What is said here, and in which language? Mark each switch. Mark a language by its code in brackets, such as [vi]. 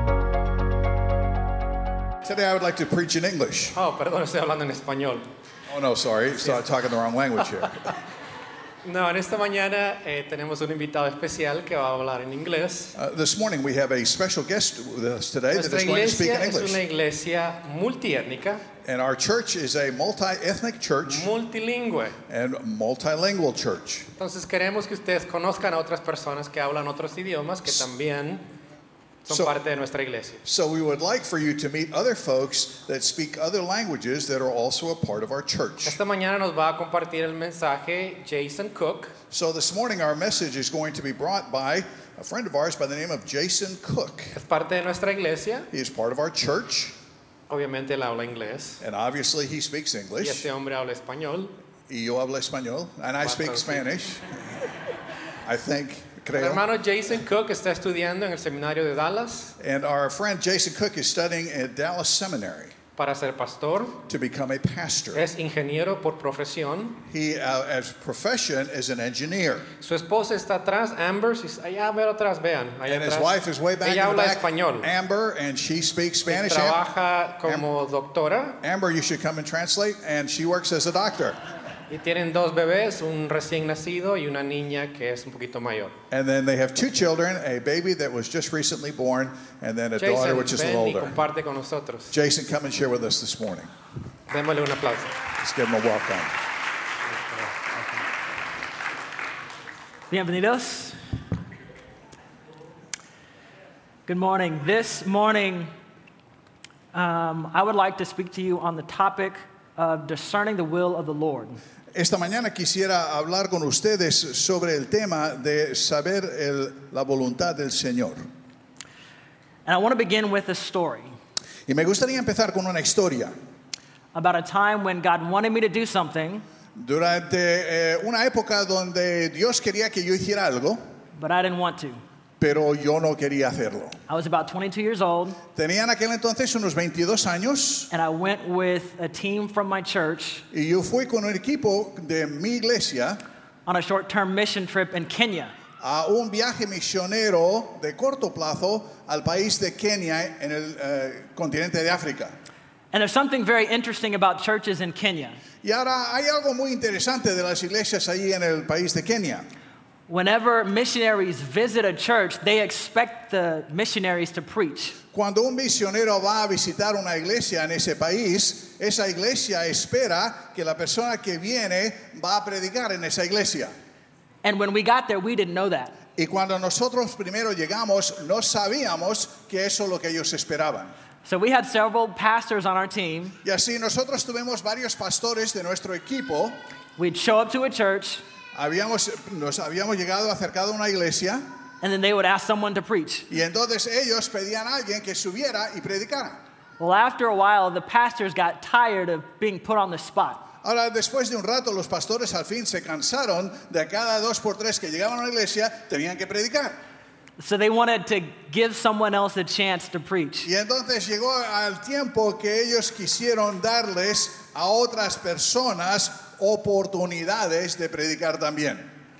[en] Today I would like to preach in English. [es] Oh, perdón, estoy hablando en español. [en] Oh, no, sorry. Started talking the wrong language here. [es] No, en esta mañana tenemos un invitado especial que va a hablar en inglés. [en] This morning we have a special guest with us today [es] Nuestra [en] that is going to speak in English. [es] Nuestra iglesia es una iglesia multiétnica. [en] And our church is a multi-ethnic church. [es] Multilingüe. [en] And multilingual church. [es] Entonces queremos que ustedes conozcan a otras personas que hablan otros idiomas que también... [en] So we would like for you to meet other folks that speak other languages that are also a part of our church. [es] Esta mañana nos va a compartir el mensaje Jason Cook. [en] So this morning our message is going to be brought by a friend of ours by the name of Jason Cook. [es] Es parte de nuestra iglesia. [en] He is part of our church. [es] Obviamente él habla inglés. [en] And obviously he speaks English. [es] Y este hombre habla español. Y yo hablo español. [en] And I speak Spanish. I think... [es] Mi hermano Jason Cook está estudiando en el seminario de Dallas. [en] And our friend Jason Cook is studying at Dallas Seminary. [es] Para ser pastor. [en] To become a pastor. [es] Es ingeniero por profesión. [en] He, as profession, is an engineer. [es] Su esposa está atrás, Amber. Si allá ver atrás, vean. [en] And [es] atrás. [en] His wife is way back. [es] Ella [en] in [es] habla [en] the back, [es] español. [en] Amber, and she speaks Spanish. [es] Y trabaja como doctora. [en] Amber, you should come and translate, and she works as a doctor. [es] Y tienen dos bebés, un recién nacido y una niña que es un poquito mayor. [en] And then they have two children, a baby that was just recently born, and then a Jason, daughter which is a little older. [es] Jason, ven y comparte con nosotros. [en] Jason, come and share with us this morning. [es] Démosle un aplauso. [en] Let's give him a welcome. [es] Bienvenidos. [en] Good morning. This morning, I would like to speak to you on the topic of discerning the will of the Lord. [es] Esta mañana quisiera hablar con ustedes sobre el tema de saber la voluntad del Señor. [en] And I want to begin with a story. [es] Y me gustaría empezar con una historia. [en] About a time when God wanted me to do something. [es] Durante una época donde Dios quería que yo hiciera algo. [en] But I didn't want to. [es] Pero yo no quería hacerlo. [en] I was about 22 years old. [es] Tenía en aquel entonces unos 22 años. [en] And I went with a team from my church. [es] Y yo fui con un equipo de mi iglesia. [en] On a short-term mission trip in Kenya. [es] A un viaje misionero de corto plazo al país de Kenia en el continente de África. [en] And there's something very interesting about churches in Kenya. [es] Y ahora hay algo muy interesante de las iglesias allí en el país de Kenia. [en] Whenever missionaries visit a church, they expect the missionaries to preach. [es] Cuando un misionero va a visitar una iglesia en ese país, esa iglesia espera que la persona que viene va a predicar en esa iglesia. [en] And when we got there, we didn't know that. [es] Y cuando nosotros primero llegamos, no sabíamos que eso es lo que ellos esperaban. [en] So we had several pastors on our team. [es] Y así nosotros tuvimos varios pastores de nuestro equipo. [en] We'd show up to a church. [es] Nos habíamos llegado acercado a una iglesia. [en] And then they would ask someone to preach. [es] Y entonces ellos pedían a alguien que subiera y predicara. [en] Well, after a while, the pastors got tired of being put on the spot. [es] Ahora, después de un rato, los pastores al fin se cansaron de cada dos por tres que llegaban a la iglesia, tenían que predicar. [en] So they wanted to give someone else a chance to preach. [es] Y entonces llegó al tiempo que ellos quisieron darles a otras personas oportunidades de predicar también.